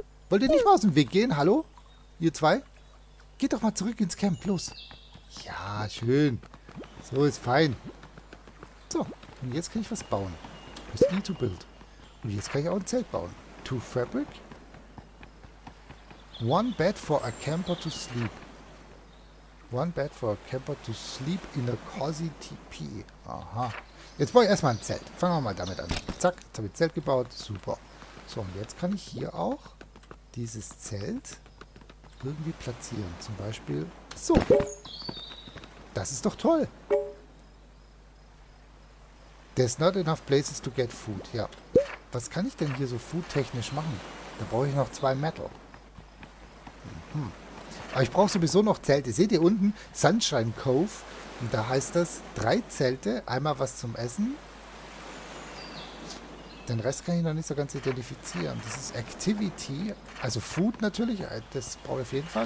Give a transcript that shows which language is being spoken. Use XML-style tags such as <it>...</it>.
<de>Wollt ihr nicht mal aus dem Weg gehen? Hallo? Ihr zwei? Geht doch mal zurück ins Camp, los. Ja, schön. So ist fein. So, und jetzt kann ich was bauen.</de> <en>Press E to build.</en> <de>Und jetzt kann ich auch ein Zelt bauen.</de> <en>Two fabric. One bed for a camper to sleep. One bed for a camper to sleep in a cozy TP. Aha.</en> <de>Jetzt brauche ich erstmal ein Zelt. Fangen wir mal damit an. Zack, jetzt habe ich ein Zelt gebaut. Super. So, und jetzt kann ich hier auch dieses Zelt irgendwie platzieren. Zum Beispiel so. Das ist doch toll.</de> <en>There's not enough places to get food.</en> <de>Ja. Was kann ich denn hier so foodtechnisch machen? Da brauche ich noch zwei Metal. Mhm. Aber ich brauche sowieso noch Zelte. Seht ihr unten? Sunshine Cove. Und da heißt das, drei Zelte, einmal was zum Essen. Den Rest kann ich noch nicht so ganz identifizieren. Das ist Activity. Also Food natürlich. Das brauche ich auf jeden Fall.</de>